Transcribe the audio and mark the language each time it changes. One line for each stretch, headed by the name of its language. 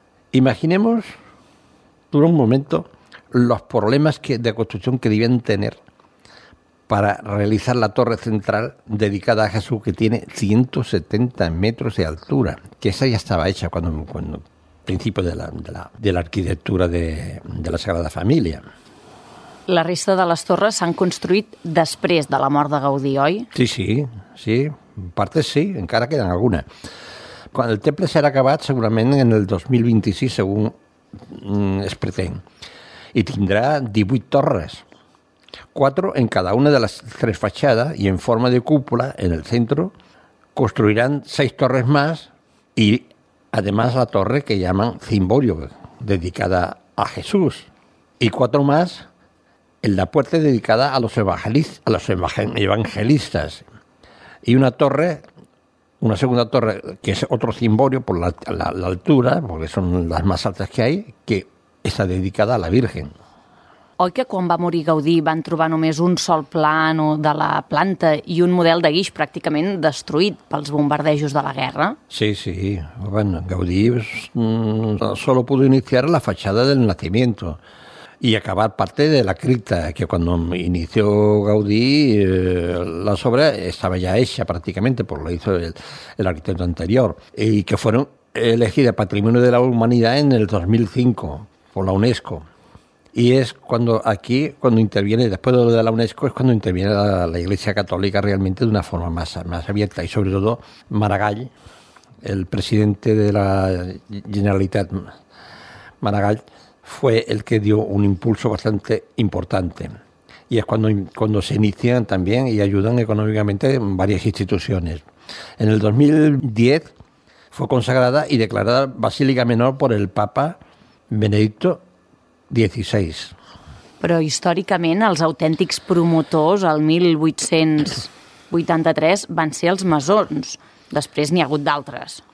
Spanish: Imaginemos, por un momento, los problemas de construcción que debían tener para realizar la torre central dedicada a Jesús, que tiene 170 metros de altura, que esa ya estaba hecha cuando principio de la arquitectura de la Sagrada Família.
Catalan: La resta de les torres s'han construït després de la mort de Gaudí, oi? Sí, en part sí, encara queden alguna. Quan el temple serà acabat, segurament en el 2026, segur es pretén, i tindrà 18 torres, 4 en cada una de les 3 fachadas i en forma de cúpula en el centre, construiran 6 torres més i,
Spanish: además, la torre que llaman Cimborio,
Catalan: dedicada a Jesús, i 4 més
Spanish: en la puerta dedicada a los evangelistas. Y una torre, una segunda torre, que es otro cimborio por la altura, porque son las más altas que hay, que está dedicada a la Virgen.
Catalan: Oi que quan va morir Gaudí van trobar només un sol plano de la planta i un model de guix pràcticament destruït pels bombardejos de la guerra?
Spanish: Sí. Bueno, Gaudí solo pudo iniciar la fachada del nacimiento. Y acabar parte de la cripta, que cuando inició Gaudí la obra estaba ya hecha prácticamente, por lo hizo el arquitecto anterior, y que fueron elegidas Patrimonio de la Humanidad en el 2005 por la UNESCO. Y es cuando interviene, después de lo de la UNESCO, es cuando interviene la Iglesia Católica realmente de una forma más abierta, y sobre todo Maragall, el presidente de la Generalitat, Maragall, fue el que dio un impulso bastante importante. Y es cuando se inician también y ayudan económicamente varias instituciones. En el 2010 fue consagrada y declarada Basílica Menor por el Papa Benedicto XVI.
Catalan: Però històricament els autèntics promotors al 1883 van ser els masons. Després n'hi ha hagut d'altres.